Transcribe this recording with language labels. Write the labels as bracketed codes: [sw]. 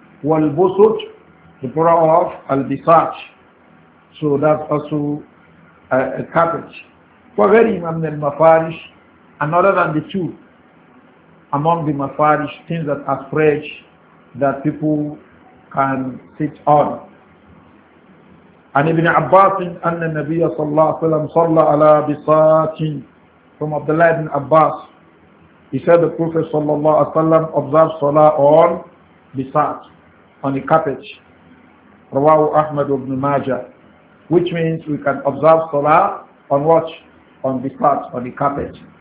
[en] Wal-Busut, the plural of Al-Bisat. So that's also a carpet. For very Imam al-Mafarish, and other than the two, among the Mafarish, things that are spread that people can sit on. [ar] عن ابن عباس أن النبي صلى الله عليه وسلم صلى على بساط. [en] From Abdullah ibn Abbas, he said the Prophet [ar] صلى الله عليه وسلم [en] observed salah on بساط, on a carpet. [ar] رواه أحمد بن ماجه. [en] Which means we can observe salah on what? On بساط, on a carpet.